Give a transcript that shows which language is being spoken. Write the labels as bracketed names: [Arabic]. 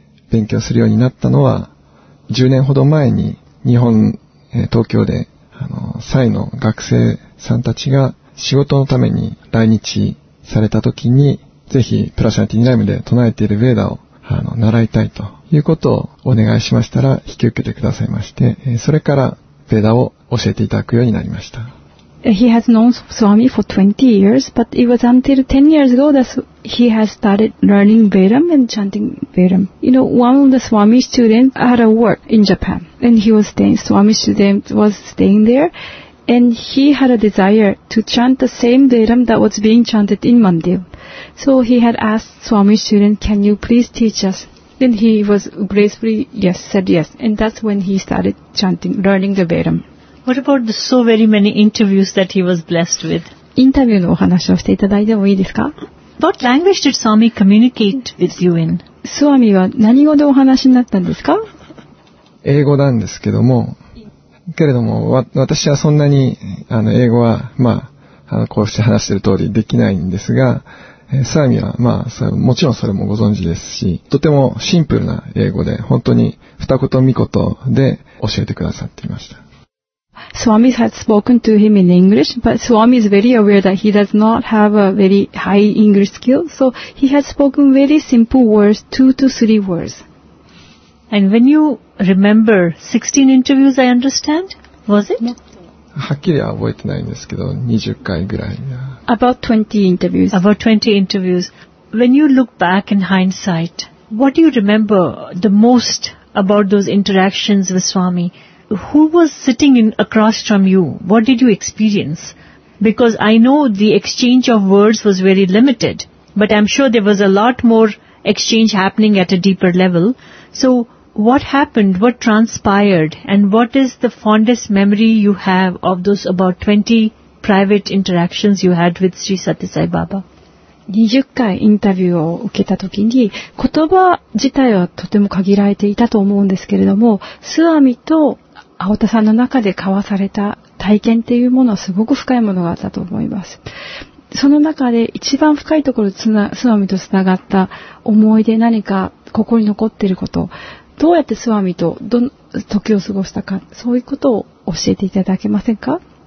[Japanese] 勉強するようになったのは10年ほど前に日本、東京でサイの学生さんたちが仕事のために来日された時に、ぜひプラシャンティニラムで唱えているベーダを習いたいということをお願いしましたら引き受けてくださいまして、それからベダを教えていただくようになりました。 [English] He has known Swami for 20 years, but it was until 10 years ago that he has started learning Vedam and chanting Vedam. You know, one of the Swami students had a work in Japan, and he was staying. Swami student was staying there, and he had a desire to chant the same Vedam that was being chanted in Mandir. So he had asked Swami student, "Can you please teach us?" Then he was gracefully yes, said yes, and that's when he started chanting, learning the Vedam. What about the so very many interviews that he was blessed with? [Japanese] インタビューのお話をしていただいてもいいですか? [English] What language did Swami communicate with you in? [Japanese] Swami は何語でお話になったんですか？英語なんですけども、けれども私はそんなに英語はまあこうして話している通りできないんですが、スワミはまあそれもちろんそれもご存知ですし、とてもシンプルな英語で本当に二言三言で教えてくださっていました。 [English] Swami had spoken to him in English, but Swami is very aware that he does not have a very high English skill, so he had spoken very simple words, two to three words. And when you remember 16 interviews, I understand, was it? [Japanese] はっきりは覚えてないんですけど、20回ぐらい。 [English] About 20 interviews. About 20 interviews. When you look back in hindsight, what do you remember the most about those interactions with Swami? Who was sitting in across from you? What did you experience? Because I know the exchange of words was very limited, but I'm sure there was a lot more exchange happening at a deeper level. So what happened? What transpired? And what is the fondest memory you have of those about 20 private interactions you had with Sri Sathya Sai Baba? [Japanese] 20回インタビューを受けたときに、言葉自体はとても限られていたと思うんですけれども、スワミと青田さんの中で交わされた体験というものはすごく深いものがあったと思います。その中で一番深いところでスワミとつながった思い出、何か心に残っていること、どうやってスワミとどの時を過ごしたか、そういうことを教えていただけませんか？